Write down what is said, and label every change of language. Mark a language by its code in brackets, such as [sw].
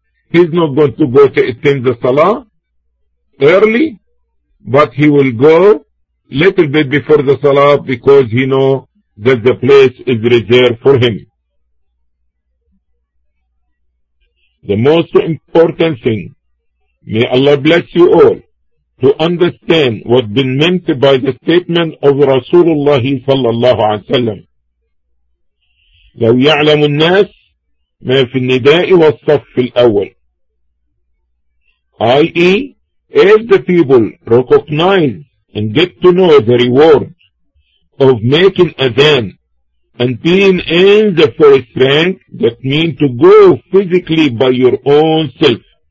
[en] He's not going to go to attend the salah early, but he will go little bit before the salah because he know that the place is reserved for him. The most important thing, may Allah bless you all, to understand what been meant by the statement of Rasulullah sallallahu alaihi wasallam. [ar] لو يعلم الناس ما في النداء والصف الأول. [en] I.e., if the people recognize and get to know the reward of making adhan and being in the first rank, that means to go physically by your own self.